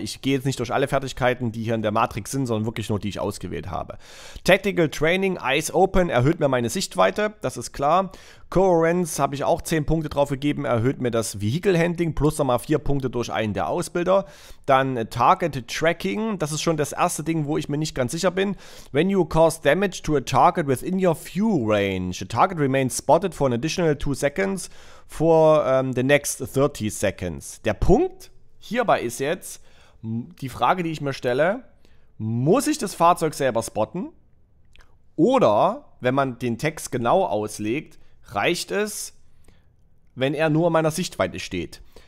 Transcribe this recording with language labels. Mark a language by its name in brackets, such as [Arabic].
[German] Ich gehe jetzt nicht durch alle Fertigkeiten, die hier in der Matrix sind, sondern wirklich nur die ich ausgewählt habe. Tactical Training, Eyes Open, erhöht mir meine Sichtweite, das ist klar. Coherence habe ich auch 10 Punkte drauf gegeben, erhöht mir das Vehicle Handling plus nochmal 4 Punkte durch einen der Ausbilder. Dann Target Tracking, das ist schon das erste Ding, wo ich mir nicht ganz sicher bin. [English] When you cause damage to a target within your view range, a target remains spotted for an additional 2 seconds for the next 30 seconds. [German] Der Punkt hierbei ist jetzt, die Frage, die ich mir stelle, muss ich das Fahrzeug selber spotten? Oder, wenn man den Text genau auslegt, reicht es, wenn er nur in meiner Sichtweite steht?